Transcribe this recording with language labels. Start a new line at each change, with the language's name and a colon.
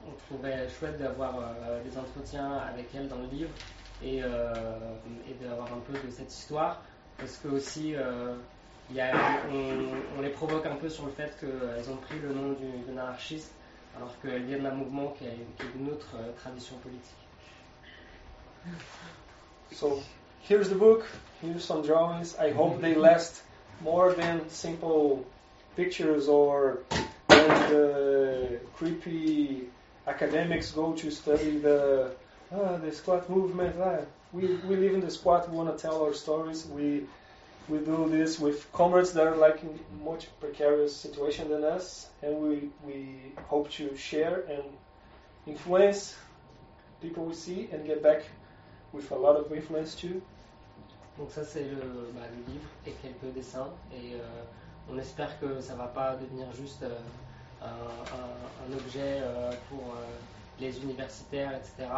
French: Je trouvais chouette d'avoir des entretiens avec elle dans le livre et d'avoir un peu de cette histoire, parce que aussi on les provoque un peu sur le fait qu'elles ont pris le nom d'une anarchiste alors qu'elle vient d'un mouvement qui est d'une autre tradition politique.
English: So here's the book, here's some drawings. I hope they last more than simple pictures or than the creepy academics go to study the squat movement. We live in the squat, we want to tell our stories. We do this with comrades that are like in much precarious situation than us, and we hope to share and influence people we see and get back with a lot of influence too.
French: Donc ça c'est le livre et quelques dessins, et on espère que ça va pas devenir juste un objet pour les universitaires, etc.